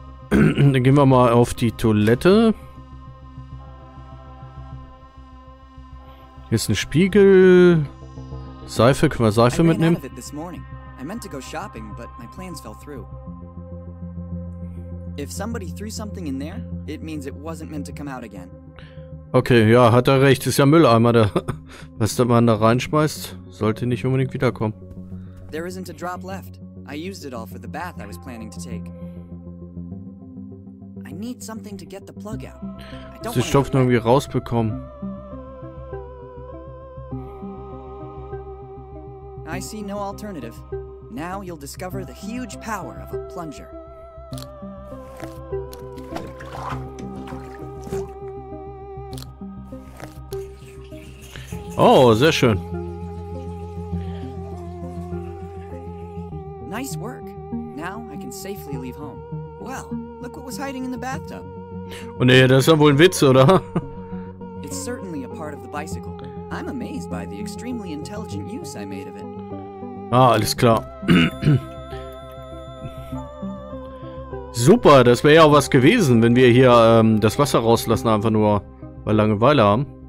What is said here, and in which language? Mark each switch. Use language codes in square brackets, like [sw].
[de] Dann gehen wir mal auf die Toilette. Hier ist ein Spiegel. Seife, können wir Seife mitnehmen? [en] Out of it this morning. I meant to go shopping, but my plans fell through. If somebody threw something in there, it means it wasn't meant to come out again. [de] Okay, ja, hat er recht. Ist ja Mülleimer, der was der Mann da reinschmeißt, sollte nicht unbedingt wiederkommen. [en] There isn't a drop left. I used it all for the bath I was planning to take. I need something to get the plug out. I don't want to get [de] irgendwie rausbekommen. [en] I see no alternative. Now you'll discover the huge power of a plunger. [de] Oh, sehr schön. [en] Nice work. Now I can safely leave home. Well, look what was hiding in the bathtub. [de] Oh nee, das ist ja wohl ein Witz, oder? [en] It's certainly a part of the bicycle. I'm amazed by the extremely intelligent use I made of it. [de] Ah, alles klar. Super, das wäre ja auch was gewesen, wenn wir hier das Wasser rauslassen, einfach nur weil Langeweile haben.